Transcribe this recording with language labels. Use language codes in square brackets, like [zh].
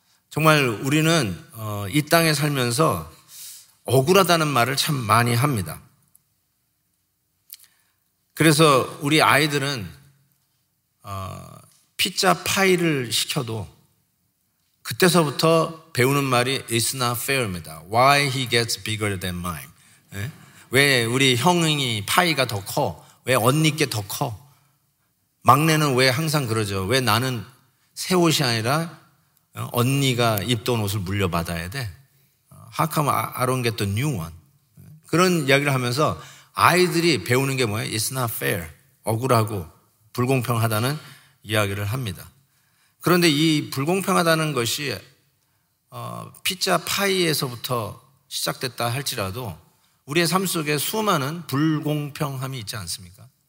[ko] 정말 우리는 이 땅에 살면서 억울하다는 말을 참 많이 합니다. 그래서 우리 아이들은 피자 파이를 시켜도 그때서부터 배우는 말이 [en] It's not fair [ko] 입니다. [en] Why he gets bigger than mine? [ko] 네? 왜 우리 형이 파이가 더 커? 왜 언니께 더 커? 막내는 왜 항상 그러죠? 왜 나는 새 옷이 아니라 언니가 입던 옷을 물려받아야 돼? [en] How come I don't get the new one? [ko] 그런 이야기를 하면서 아이들이 배우는 게 뭐예요? [en] It's not fair. [ko] 억울하고 불공평하다는 이야기를 합니다. 그런데 이 불공평하다는 것이 피자 파이에서부터 시작됐다 할지라도 우리의 삶 속에 수많은 불공평함이 있지 않습니까?